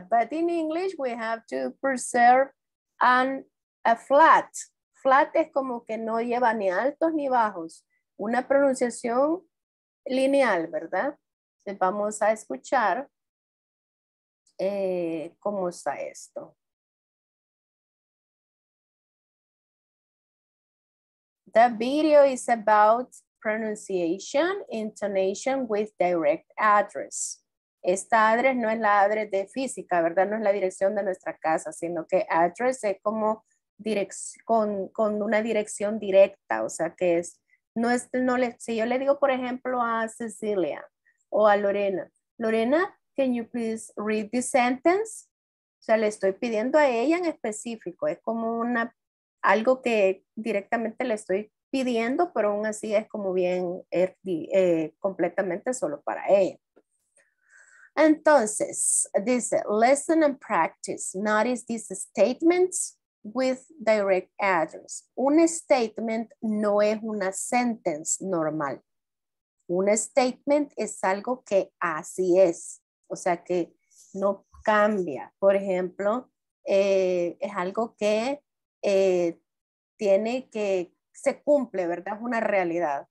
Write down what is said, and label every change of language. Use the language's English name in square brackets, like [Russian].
[English] But in English, we have to preserve a flat. [Spanish] Flat es como que no lleva ni altos ni bajos. Una pronunciación lineal, ¿verdad? Entonces vamos a escuchar cómo está esto. [English] The video is about pronunciation, intonation with direct address. [Spanish] Esta address no es la address de física, ¿verdad? No es la dirección de nuestra casa, sino que address es como con una dirección directa, o sea que es, no es, no le, si yo le digo, por ejemplo, a Cecilia o a Lorena, Lorena, [English] can you please read this sentence? [Spanish] O sea, le estoy pidiendo a ella en específico, es como una, algo que directamente le estoy pidiendo, pero aún así es como bien completamente solo para ella. Entonces, dice, [English] listen and practice, notice these statements with direct address. [Spanish] Un statement no es una sentence normal. Un statement es algo que así es, o sea que no cambia. Por ejemplo, es algo que tiene que, se cumple, ¿verdad? Es una realidad.